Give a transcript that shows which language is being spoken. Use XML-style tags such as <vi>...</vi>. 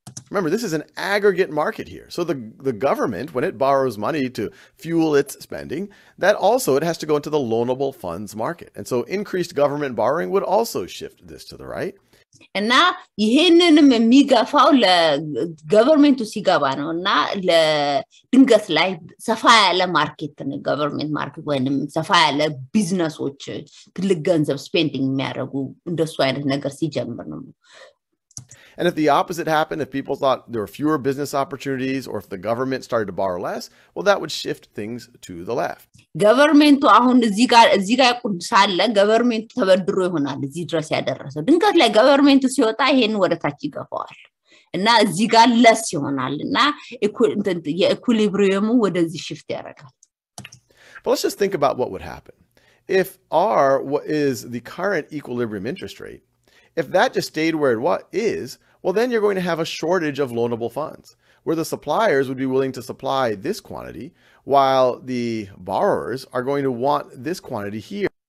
<en>Remember, this is an aggregate market here. So the government, when it borrows money to fuel its spending, that also it has to go into the loanable funds market. And so increased government borrowing would also shift this to the right.</en> <am>እና ይሄንንም የሚገፋው ለገቨርንመንቱ ሲገባ ነው እና ለድንገት ላይ ሰፋ ያለ ማርኬት ነው ገቨርንመንት ማርኬት ወይንም ሰፋ ያለ ቢዝነሶች ትልቅ ገንዘብ ስፔንዲንግ የሚያደርጉ እንደሱ አይነት ነገር ሲጀምር ነው</am> <en>And if the opposite happened, if people thought there were fewer business opportunities or if the government started to borrow less, well, that would shift things to the left.</en> <am>Government አሁን እዚህ ጋ ቁንሳለ government ተበድሮ ይሆናል እዚህ ድረስ ያደረሰው ድንገት ላይ government ሲወጣ ይሄን ወደ ታች ይገፋዋል እና እዚህ ጋ less ይሆናልና የequilibriumው ወደዚህ shift ያደርጋል</am> <en>But let's just think about what would happen. If R is the current equilibrium interest rate, If that just stayed where it is, well, then you're going to have a shortage of loanable funds where the suppliers would be willing to supply this quantity while the borrowers are going to want this quantity here.</en>